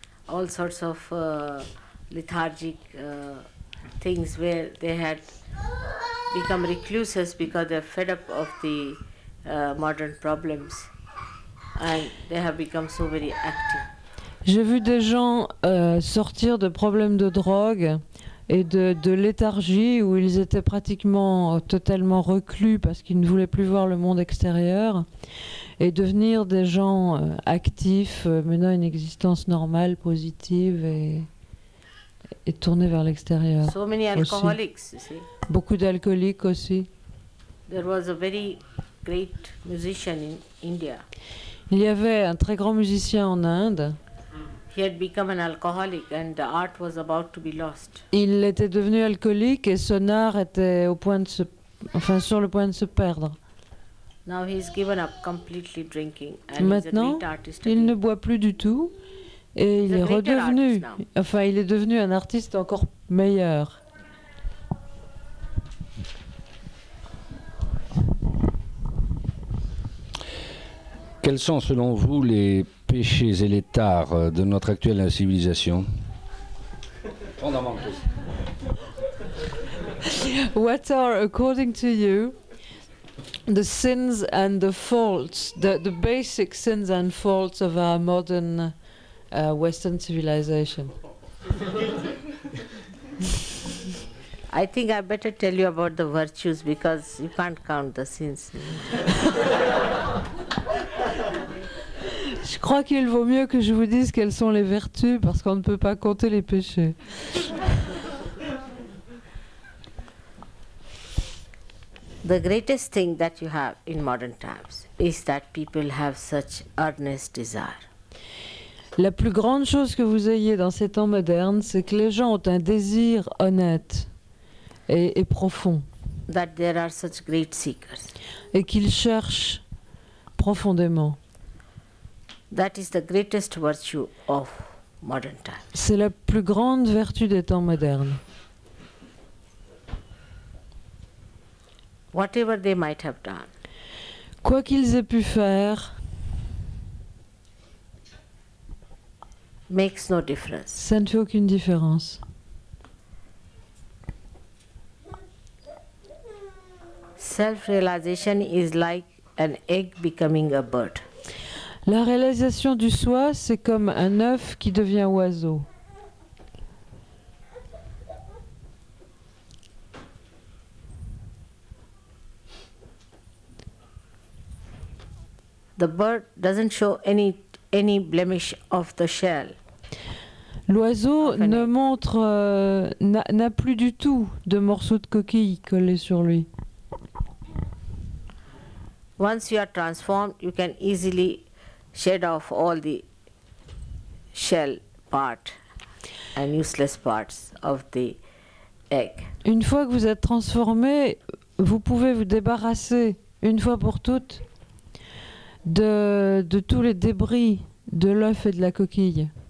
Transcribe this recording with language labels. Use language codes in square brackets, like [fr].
[en] all sorts of lethargic things where they had become recluses because they're fed up of the modern problems, and they have become so very active. [fr] J'ai vu des gens sortir de problèmes de drogue et de léthargie où ils étaient pratiquement totalement reclus parce qu'ils ne voulaient plus voir le monde extérieur et devenir des gens actifs, menant une existence normale, positive et tournée vers l'extérieur. [en] So many alcoholics, you see. [fr] Beaucoup d'alcooliques aussi. [en] There was a very great musician in India. [fr] Il y avait un très grand musicien en Inde. [en] He had become an alcoholic and the art was about to be lost. [fr] Il était devenu alcoolique et son art était au point de se, enfin sur le point de se perdre. [en] Now he's given up completely drinking and [fr] maintenant, [en] he's a great artist. [fr] Il ne boit plus du tout et [en] he's [fr] il est redevenu, enfin il est devenu un artiste encore meilleur. Quels sont selon vous les péchés et les tares de notre actuelle civilisation? Fondamentaux. [en] What are, according to you, the sins and the faults, the basic sins and faults of our modern Western civilization? I think I better tell you about the virtues because you can't count the sins. [fr] Je crois qu'il vaut mieux que je vous dise quelles sont les vertus parce qu'on ne peut pas compter les péchés. [en] The greatest thing that you have in modern times is that people have such earnest desire. [fr] La plus grande chose que vous ayez dans ces temps modernes, c'est que les gens ont un désir honnête et profond. [en] That there are such great seekers. [fr] Et qu'ils cherchent profondément. [en] That is the greatest virtue of modern times. [fr] C'est la plus grande vertu des temps modernes. [en] Whatever they might have done. [fr] Quoi qu'ils aient pu faire. [en] Makes no difference. [fr] Ça ne fait aucune différence. [en] Self-realization is like an egg becoming a bird. [fr] La réalisation du soi, c'est comme un œuf qui devient oiseau. [en] The bird doesn't show any blemish of the shell. [fr] L'oiseau ne montre n'a plus du tout de morceaux de coquille collés sur lui. [en] Once you are transformed, you can easily shed off all the shell part and useless parts of the egg. [fr] Une fois que vous êtes transformé, vous pouvez vous débarrasser une fois pour toutes de tous les débris de l'œuf et de la coquille.